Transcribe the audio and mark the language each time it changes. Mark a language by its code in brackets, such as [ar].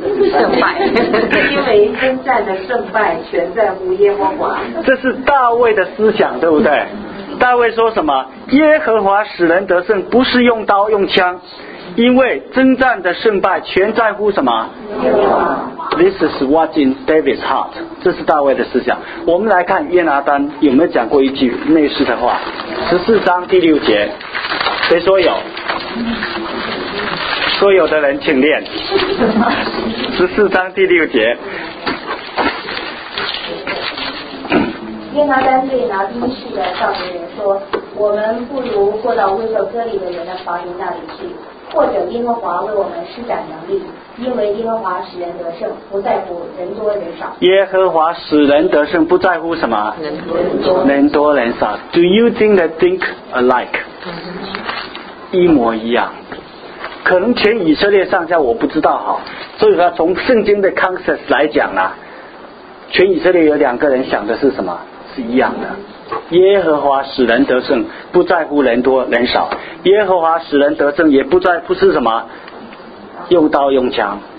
[zh] 胜败，因为征战的胜败全在乎耶和华。这是大卫的思想，对不对？大卫说什么？耶和华使人得胜，不是用刀用枪，因为征战的胜败全在乎什么？耶和华。 [en] This is what's in David's heart。 [zh] 这是大卫的思想。我们来看约拿丹有没有讲过一句类似的话？ 14章第6节，谁说有？所有的人请练。14章第6节，天拿单对拿兵器的少年人说，我们不如过到威瑟哥里的人的房营那里去，或者耶和华为我们施展能力，因为耶和华使人得胜，不在乎人多人少。耶和华使人得胜不在乎什么？人多人少。 [en] Do you think that think alike？ [zh] 一模一样。可能全以色列上下我不知道哈，所以说从圣经的 concept 来讲呢、啊，全以色列有两个人想的是什么？是一样的。耶和华使人得胜，不在乎人多人少。耶和华使人得胜，也不在乎是什么，用刀用枪。